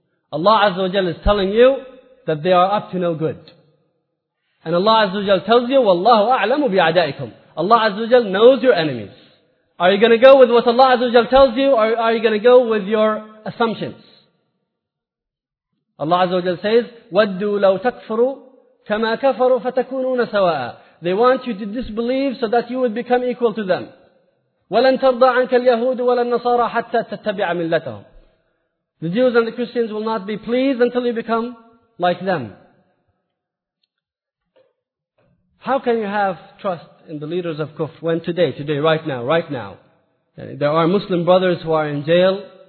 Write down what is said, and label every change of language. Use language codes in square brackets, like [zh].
[en] Allah Azza wa Jalla is telling you that they are up to no good. And Allah Azza wa Jalla tells you, [ar] وَاللَّهُ أَعْلَمُ بِعَدَائِكُمْ. [en] Allah Azza wa Jalla knows your enemies. Are you going to go with what Allah Azza wa Jalla tells you, or are you going to go with your assumptions? [ar] Allah Azza wa Jalla says, وَدُّوا لَوْ تَكْفَرُوا كَمَا كَفَرُوا فَتَكُونُونَ سَوَاءً. [en] They want you to disbelieve so that you would become equal to them. [ar] وَلَنْ تَرْضَى عَنْكَ الْيَهُودُ وَلَا النَّصَارَى حَتَّى تَتَّبِعَ مِلَّتَهُمْ. [en] The Jews and the Christians will not be pleased until you become like them. How can you have trust in the leaders of Kufr when today, right now, there are Muslim brothers who are in jail?